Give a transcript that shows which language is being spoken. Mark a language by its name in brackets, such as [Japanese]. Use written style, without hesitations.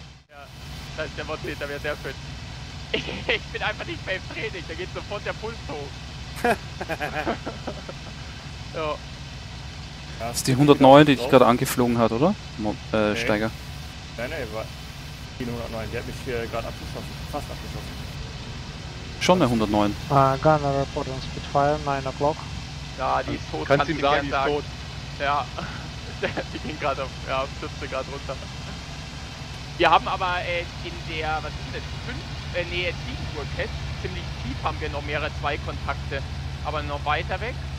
[German] Ja, das ist der Wortlied, da wäre sehr schön. Ich bin einfach nicht mehr im Training, da geht sofort der Puls hoch. So. Das ist die 109, die dich gerade angeflogen hat, oder? Steiger. Nein, war die 109, die hat mich hier gerade abgeschossen, fast abgeschossen. Schon eine 109. [English] Gunner report on Spitfire, 9 o'clock. [German] Ja, die ist tot. Kannst ihm sagen, die ist tot. Ja, die ging gerade auf, stürzte gerade runter. Wir haben aber in der, was ist das, 7 Uhr Test, ziemlich tief haben wir noch mehrere 2 Kontakte, aber noch weiter weg.